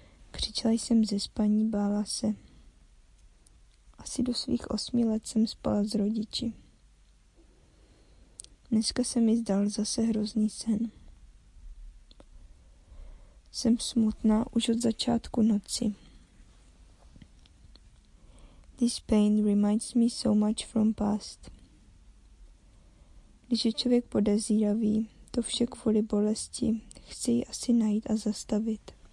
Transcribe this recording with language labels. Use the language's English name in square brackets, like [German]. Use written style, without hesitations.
[Czech] Křičela jsem ze spaní, bála se. Asi do svých 8 let jsem spala s rodiči. Dneska se mi zdal zase hrozný sen. Jsem smutná už od začátku noci. [English] This pain reminds me so much from past. [Czech] Když je člověk podezíravý, to vše kvůli bolesti, chci ji asi najít a zastavit.